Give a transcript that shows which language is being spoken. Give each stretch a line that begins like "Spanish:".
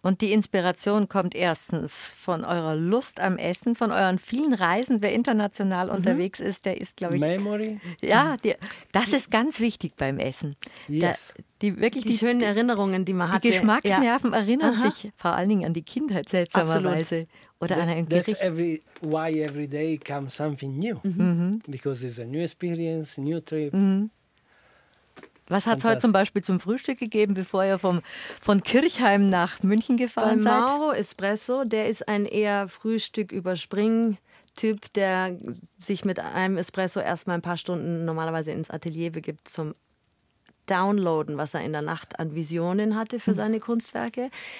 German: Und die Inspiration kommt erstens von eurer Lust am Essen, von euren vielen Reisen. Wer international unterwegs ist, der ist, glaube ich...
English: Memory?
German: Ja, das ist ganz wichtig beim Essen.
English: Yes.
German: Die schönen Erinnerungen, die man hat. Die Geschmacksnerven erinnern sich vor allen Dingen an die Kindheit seltsamerweise. Absolut. Oder an ein Gericht.
English: That's why every day comes something new. Mm-hmm. Because it's a new experience, new trip. Mm-hmm.
German: Was hat es heute zum Beispiel zum Frühstück gegeben, bevor ihr von Kirchheim nach München gefahren seid? Mauro Espresso, der ist ein eher Frühstück-Überspring-Typ, der sich mit einem Espresso erstmal ein paar Stunden normalerweise ins Atelier begibt zum Downloaden, was er in der Nacht an Visionen hatte für seine Kunstwerke.